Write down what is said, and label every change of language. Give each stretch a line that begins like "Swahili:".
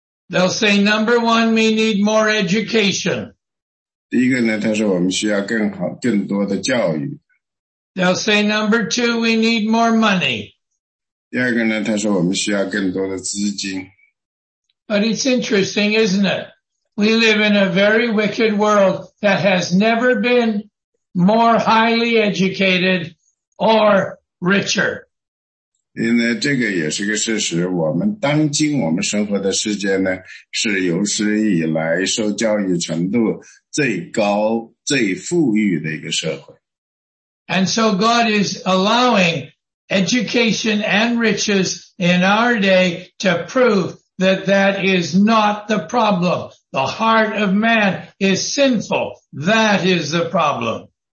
English: They'll say, number one, we need more education.
Chinese: 第一个呢，他说我们需要更多的教育。
English: They'll say, number two, we need more money.
Chinese: 第二个呢，他说我们需要更多的资金。
English: But it's interesting, isn't it? We live in a very wicked world that has never been more highly educated or richer.
Chinese: 因为这个也是个事实，我们当今我们生活的世界呢，是有史以来受教育程度最高、最富裕的一个社会。
English: And so God is allowing education and riches in our day to prove that that is not the problem. The heart of man is sinful. That is the problem.